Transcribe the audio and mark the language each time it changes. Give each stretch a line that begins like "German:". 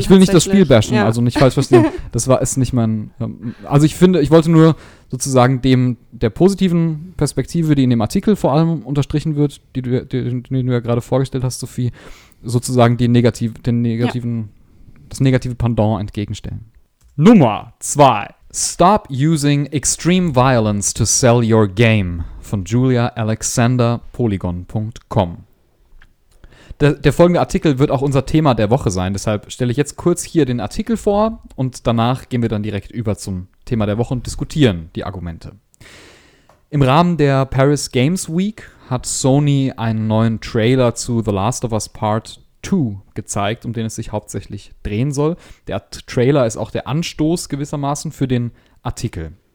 German: Ich will nicht das Spiel bashen, ja. Also nicht falsch verstehen. Das war es nicht mein. Also ich finde, ich wollte nur sozusagen dem der positiven Perspektive, die in dem Artikel vor allem unterstrichen wird, den du ja gerade vorgestellt hast, Sophie, sozusagen das negative Pendant entgegenstellen. Nummer 2.
English: Stop using extreme violence to sell your game.
German: Von Julia Alexander, polygon.com. Der folgende Artikel wird auch unser Thema der Woche sein. Deshalb stelle ich jetzt kurz hier den Artikel vor und danach gehen wir dann direkt über zum Thema der Woche und diskutieren die Argumente. Im Rahmen der Paris Games Week hat Sony einen neuen Trailer zu The Last of Us Part 2 gezeigt, um den es sich hauptsächlich drehen soll. Der Trailer ist auch der Anstoß gewissermaßen für den Artikel.